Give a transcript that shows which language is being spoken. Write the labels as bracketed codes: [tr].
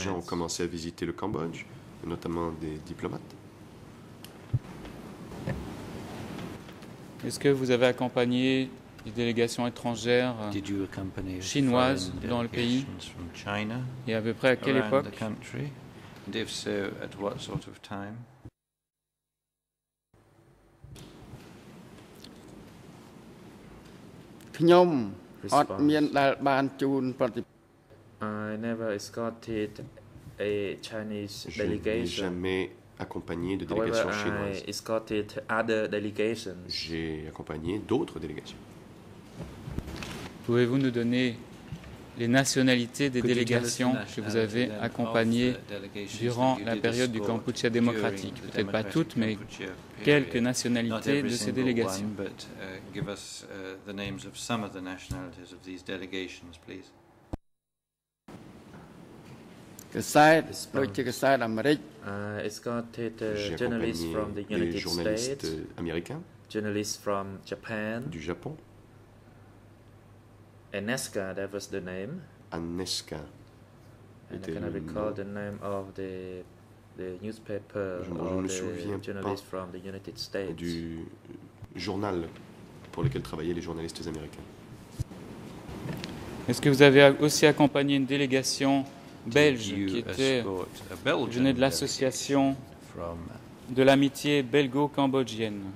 [fr] Gens ont commencé à visiter le Cambodge, notamment des diplomates. Est-ce que vous avez accompagné des délégations étrangères chinoises dans le pays [en] from China, [fr] et à peu près à quelle époque [en] the country, and if so, at what sort of time? I never escorted a Chinese delegation. [fr] Je n'ai jamais accompagné de délégation chinoise. [en] I escorted other delegations. [fr] J'ai accompagné d'autres délégations. Pouvez-vous nous donner les nationalités des délégations que vous avez accompagnées durant la période du Kampuchea démocratique? Peut-être pas toutes, mais quelques nationalités de ces délégations. [en] Give us the names of some of the nationalities of these delegations, please. I escorted journalists from the United States. journalist from Japan. [fr] Du Japon. [en] Aneska, that was the name. Aneska. And I cannot recall the name of the newspaper journalist from the United States. [fr] Du journal pour lequel travaillaient les journalistes américains. Est-ce que vous avez aussi accompagné une délégation belge qui était venue de l'association de l'amitié belgo-cambodgienne?